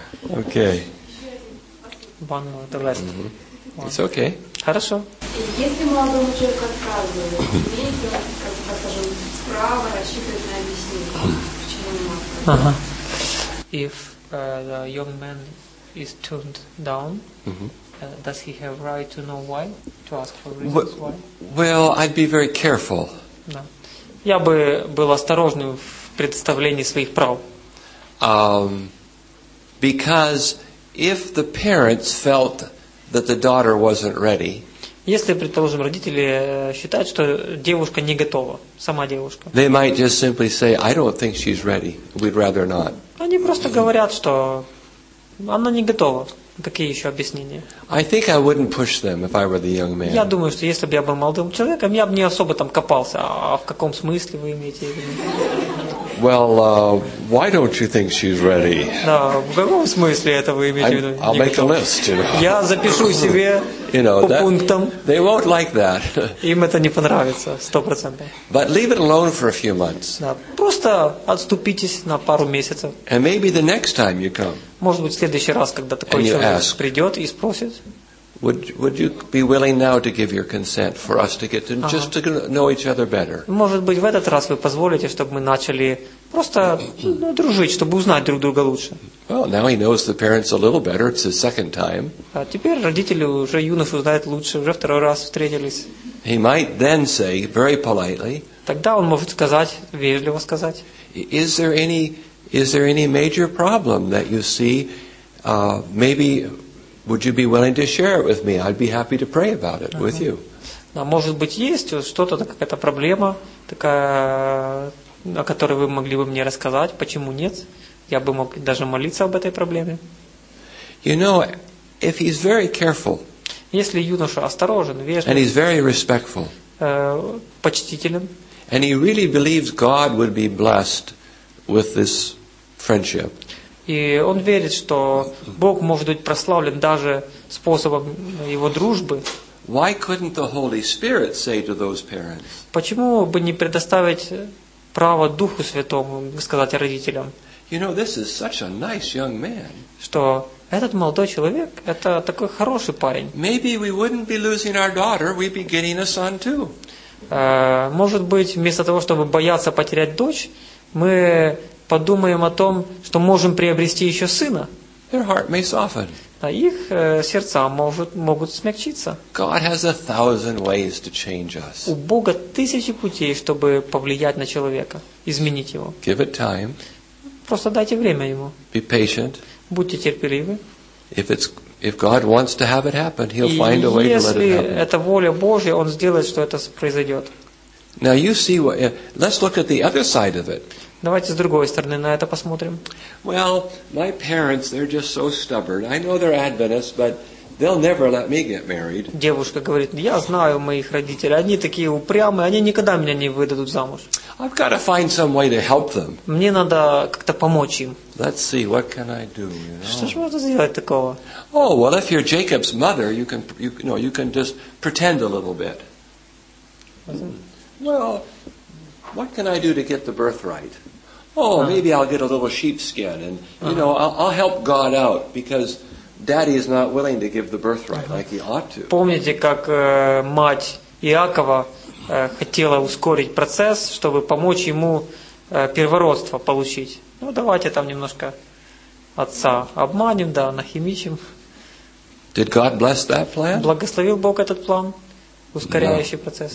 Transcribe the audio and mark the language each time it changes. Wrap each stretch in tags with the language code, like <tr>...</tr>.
<en>Okay. One more, the last. It's okay.</en> <ru>Хорошо. Если молодому человеку отказывают, имеет он, скажем, право рассчитывать на объяснение, почему не может?</ru> <en>If the young man is turned down, does he have right to know why, to ask for reasons why? Well, I'd be very careful.</en> <ru>Да. Я бы был осторожным в представлении своих прав.</ru> <en>Because if the parents felt that the daughter wasn't ready.</en> <ru>Если, предположим, родители считают, что девушка не готова, сама девушка.</ru> <en>They might just simply say, I don't think she's ready. We'd rather not.</en> <ru>Они просто говорят, что она не готова. Какие еще объяснения?</ru> <en>I think I wouldn't push them if I were the young man.</en> <ru>Я думаю, что если бы я был молодым человеком, я бы не особо там копался. А в каком смысле вы имеете в виду?</ru> <en>Well, why don't you think she's ready?</en> <ru>Да, в каком смысле это вы имеете в виду?</ru> <en>I'll make a list, you know.</en> <ru>Я запишу себе по пунктам.</ru> <en>They won't like that.</en> <ru>Им это не понравится, 100%.</ru> <en>But leave it alone for a few months.</en> <ru>Да, просто отступитесь на пару месяцев.</ru> <en>And maybe the next time you come.</en> <ru>Может быть, в следующий раз, когда такой человек придет и спросит.</ru> <en>Would you be willing now to give your consent for us to get to just to know each other better?</en> <ru>Может быть, в этот раз вы позволите, чтобы мы начали просто дружить, чтобы узнать друг друга лучше.</ru> <en>Well, now he knows the parents a little better. It's his second time.</en> <ru>А теперь родители уже юношу знают лучше, уже второй раз встретились.</ru> <en>He might then say very politely.</en> <ru>Тогда он может сказать, вежливо сказать.</ru> <en>Is there any major problem that you see? Maybe. Would you be willing to share it with me? I'd be happy to pray about it with you.</en> <ru>Да, может быть, есть что-то, какая-то проблема, такая, о которой вы могли бы мне рассказать. Почему нет? Я бы мог даже молиться об этой проблеме.</ru> <en>You know, if he's very careful,</en> <ru>если юноша осторожен, вежлив,</ru> <en>and he's very respectful,</en> <ru>почтителен,</ru> <en>and he really believes God would be blessed with this friendship.</en> <ru>И он верит, что Бог может быть прославлен даже способом его дружбы.</ru> <en>Why couldn't the Holy Spirit say to those parents?</en> <ru>Почему бы не предоставить право Духу Святому сказать родителям?</ru> <en>You know, this is such a nice young man.</en> <ru>Что этот молодой человек – это такой хороший парень.</ru> <en>Maybe we wouldn't be losing our daughter, we'd be getting a son too.</en> <ru>Может быть, вместо того, чтобы бояться потерять дочь, мы подумаем о том, что можем приобрести еще сына.</ru> <en>Their heart may soften.</en> <ru>А их сердца могут смягчиться.</ru> <en>God has a thousand ways to change us.</en> <ru>У Бога тысячи путей, чтобы повлиять на человека, изменить его.</ru> <en>Give it time.</en> <ru>Просто дайте время ему.</ru> <en>Be patient.</en> <ru>Будьте терпеливы.</ru> <en>If God wants to have it happen, He'll find a way to let it happen.</en> <ru>Если это воля Божья, Он сделает, что это произойдет.</ru> <en>Now you see what. Let's look at the other side of it.</en> <ru>Давайте с другой стороны на это посмотрим.</ru> <en>Well, my parents, they're just so stubborn. I know they're Adventists, but they'll never let me get married.</en> <ru>Девушка говорит: "Я знаю моих родителей. Они такие упрямые. Они никогда меня не выдадут замуж."</ru> <en>I've got to find some way to help them.</en> <ru>Мне надо как-то помочь им.</ru> <en>Let's see, what can I do?</en> <ru>Что ж можно сделать такого?</ru> <en>Oh, well, if you're Jacob's mother, you can just pretend a little bit. Well, what can I do to get the birthright? Oh, maybe I'll get a little sheepskin, and you know, I'll help God out because Daddy is not willing to give the birthright like he ought to.</en> <ru>Помните, как мать Иакова хотела ускорить процесс, чтобы помочь ему первородство получить? Ну, давайте там немножко отца обманем, да, нахимичим.</ru> <en>Did God bless that plan?</en> <ru>Благословил Бог этот план, ускоряющий процесс.</ru>